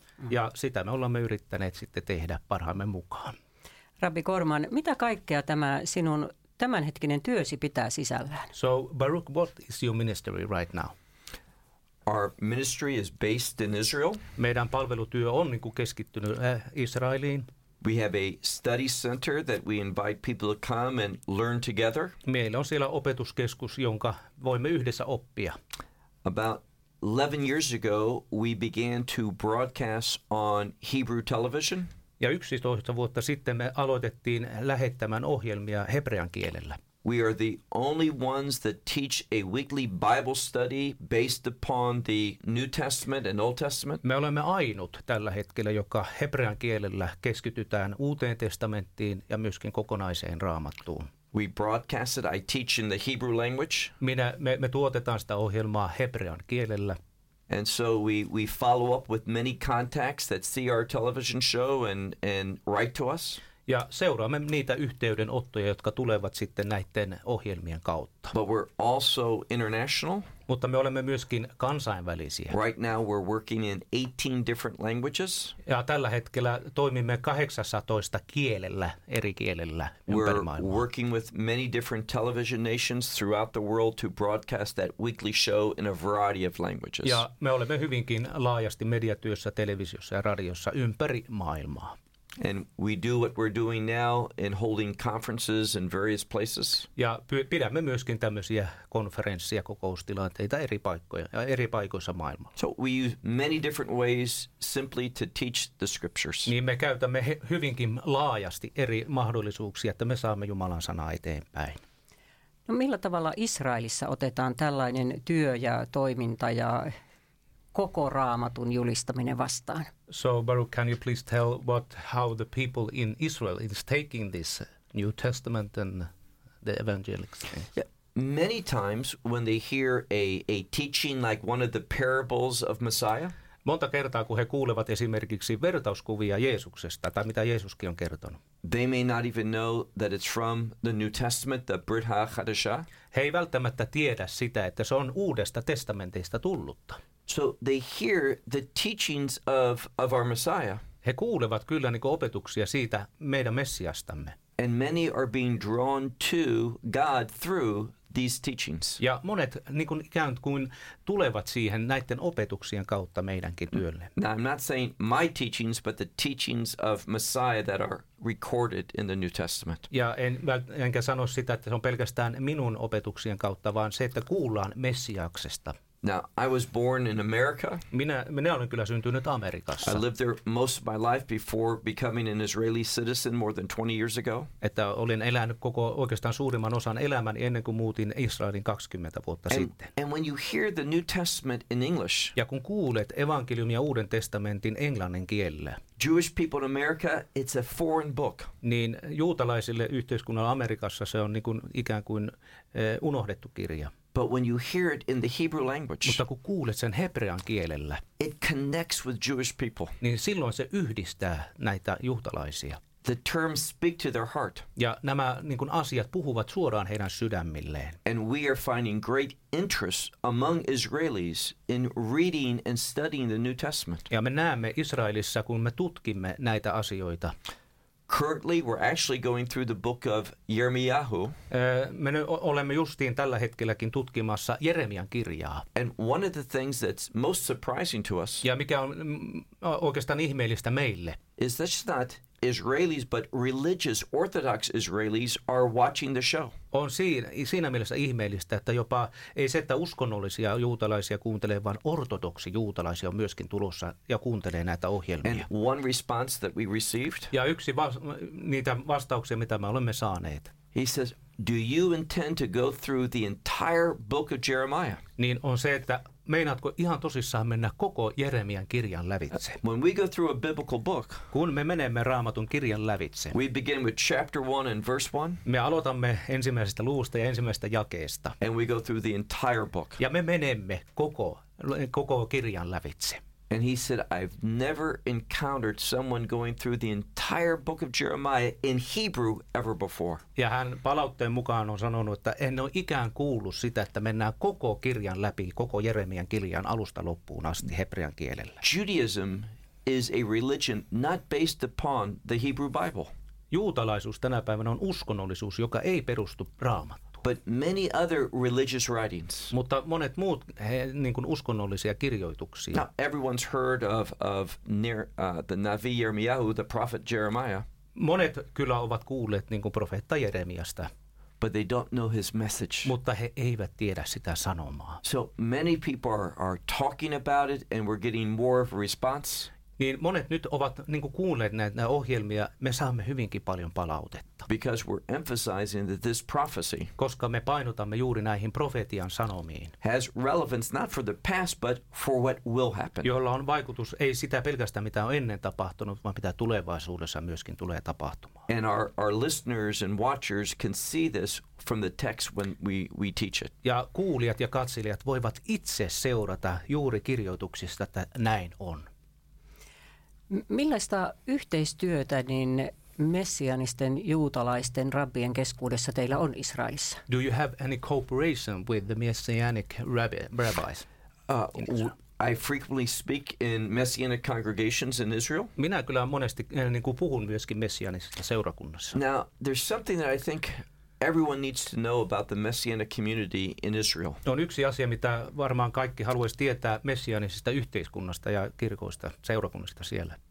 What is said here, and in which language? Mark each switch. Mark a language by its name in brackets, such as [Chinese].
[Finnish] Ja sitä me olemme yrittäneet sitten tehdä parhaamme mukaan. Rabbi Korman, mitä kaikkea tämä sinun tämänhetkinen työsi pitää sisällään? [English] So, Baruch, what is your ministry right now? Our ministry is based in Israel. [Finnish] Meidän palvelutyö on niin kuin keskittynyt Israeliin. [English] We have a study center that we invite people to come and learn together. [Finnish] Meillä on siellä opetuskeskus, jonka voimme yhdessä oppia. [English] About 11 years ago, we began to broadcast on Hebrew television. [Finnish] Ja 11 vuotta sitten me aloitettiin lähettämään ohjelmia hebrean kielellä. [English] We are the only ones that teach a weekly Bible study based upon the New Testament and Old Testament. [Finnish] Me olemme ainut tällä hetkellä, joka hebrean kielellä keskitytään Uuteen testamenttiin ja myöskin kokonaiseen Raamattuun. [English] We broadcast it. I teach in the Hebrew language. [Finnish] Me tuotetaan sitä ohjelmaa hebrean kielellä. [English] And so we follow up with many contacts that see our television show and write to us. [Finnish] Ja seuraamme niitä yhteydenottoja, jotka tulevat sitten näiden ohjelmien kautta. [English] But we're also international. [Finnish] Mutta me olemme myöskin kansainvälisiä. [English] Right now we're working in 18 different languages. [Finnish] Ja tällä hetkellä toimimme 18 kielellä, eri kielellä ympäri maailmaa. [English] We're working with many different television nations throughout the world to broadcast that weekly show in a variety of languages. [Finnish] Ja me olemme hyvinkin laajasti mediatyössä, televisiossa ja radiossa ympäri maailmaa. [English] And we do what we're doing now in holding conferences in various places. [Finnish] Ja pidämme myöskin tämmöisiä konferenssia, kokoustilanteita eri paikoissa maailmalla. [English] So we use many different ways simply to teach the scriptures. [Finnish] Niin me käytämme hyvinkin laajasti eri mahdollisuuksia, että me saamme Jumalan sanaa eteenpäin. No millä tavalla Israelissa otetaan tällainen työ ja toiminta ja koko Raamatun julistaminen vastaan? [English] So Baruch, can you please tell how the people in Israel is taking this New Testament and the evangelical things? Yeah. Many times when they hear a teaching like one of the parables of Messiah. [Finnish] monta kertaa, kun he kuulevat esimerkiksi vertauskuvia Jeesuksesta tai mitä Jeesuskin on kertonut. [English] They may not even know that it's from the New Testament, the Brit HaChadashah. [Finnish] He ei välttämättä tiedä sitä, että se on Uudesta testamentista tullutta. [English] So they hear the teachings of our Messiah. [Finnish] He kuulevat kyllä niin kuin opetuksia siitä meidän Messiastamme. [English] And many are being drawn to God through these teachings. [Finnish] Ja monet niin kuin ikään kuin tulevat siihen näiden opetuksien kautta meidänkin työlle. [English] Now, I'm not saying my teachings, but the teachings of Messiah that are recorded in the New Testament. [Finnish] Ja enkä sano sitä, että se on pelkästään minun opetuksien kautta, vaan se, että kuullaan Messiaaksesta. [English] Now, I was born in America. [Finnish] Minä olen kyllä syntynyt Amerikassa. [English] I lived there most of my life before becoming an Israeli citizen more than 20 years ago. [Finnish] Että olin elänyt koko oikeastaan suurimman osan elämän ennen kuin muutin Israelin 20 vuotta sitten. [English] And when you hear the New Testament in English. [Finnish] Ja kun kuulet evankeliumia Uuden testamentin englannin kielellä. [English] Jewish people in America, it's a foreign book. [Finnish] Niin juutalaisille yhteiskunnalle Amerikassa se on niin kuin ikään kuin unohdettu kirja. [English] But when you hear it in the Hebrew language, [Finnish] mutta kun kuulet sen hebrean kielellä, [English] it connects with Jewish people. [Finnish] Niin silloin se yhdistää näitä juutalaisia. [English] The terms speak to their heart. [Finnish] Ja nämä niin kuin asiat puhuvat suoraan heidän sydämilleen. [English] And we are finding great interest among Israelis in reading and studying the New Testament. [Finnish] Ja me näemme Israelissa, kun me tutkimme näitä asioita. [English] Currently, we're actually going through the book of Jeremiahu. [Finnish] Me olemme justiin tällä hetkelläkin tutkimassa Jeremian kirjaa. [English] And one of the things that's most surprising to us. [Finnish] Ja mikä on oikeastaan ihmeellistä meille. [English] Is that not Israelis, but religious Orthodox Israelis are watching the show. [Finnish] On siinä mielessä ihmeellistä, että jopa ei se, että uskonnollisia juutalaisia kuuntelee, vaan ortodoksi juutalaisia on myöskin tulossa ja kuuntelee näitä ohjelmia. [English] And one response that we received. [Finnish] Ja yksi niitä vastauksia, mitä me olemme saaneet. [English] He says, "Do you intend to go through the entire book of Jeremiah?" [Finnish] Niin on se, että meinaatko ihan tosissaan mennä koko Jeremian kirjan lävitse? [English] When we go through a biblical book, [Finnish] kun me menemme Raamatun kirjan lävitse, [English] we begin with chapter 1 and verse 1. [Finnish] Me aloitamme ensimmäisestä luvusta ja ensimmäisestä jakeesta. [English] And we go through the entire book. [Finnish] Ja me menemme koko kirjan lävitse. [English] And he said, "I've never encountered someone going through the entire book of Jeremiah in Hebrew ever before." [Finnish] Ja hän palautteen mukaan on sanonut, että en ole ikään kuullut sitä, että mennään koko kirjan läpi, koko Jeremian kirjan alusta loppuun asti hebrean kielellä. [English] Judaism is a religion not based upon the Hebrew Bible. [Finnish] Juutalaisuus tänä päivänä on uskonnollisuus, joka ei perustu Raamattuun. [English] But many other religious writings. [Finnish] Mutta monet muut niin kuin uskonnollisia kirjoituksia. [English] Now, everyone's heard of the Navi Jeremiah, the prophet Jeremiah. [Finnish] Monet kyllä ovat kuulleet niin kuin profeetta Jeremiasta. [English] But they don't know his message. [Finnish] Mutta he eivät tiedä sitä sanomaa. [English] So many people are talking about it and we're getting more of a response. [Finnish] Niin monet nyt ovat niin kuin kuulleet näitä ohjelmia, me saamme hyvinkin paljon palautetta. [English] Because we're emphasizing that this prophecy. [Finnish] Koska me painotamme juuri näihin profetian sanomiin. [English] Has relevance not for the past but for what will happen. [Finnish] Jolla on vaikutus ei sitä pelkästään mitä on ennen tapahtunut, vaan mitä tulevaisuudessa myöskin tulee tapahtumaan. [English] And our listeners and watchers can see this from the text when we teach it. [Finnish] Ja kuulijat ja katselijat voivat itse seurata juuri kirjoituksista, että näin on. Millaista yhteistyötä niin messianisten juutalaisten rabbien keskuudessa teillä on Israelissa? [English] Do you have any cooperation with the messianic rabbis? I frequently speak in messianic congregations in Israel. [Finnish] Minä kyllä monesti niin kuin puhun myöskin messianisessa seurakunnassa. [English] Now, there's something that I think everyone needs to know about the messianic community in Israel. [Finnish] On yksi asia, mitä varmaan kaikki haluaisi tietää messianisista yhteiskunnasta ja kirkoista, seurakunnasta siellä.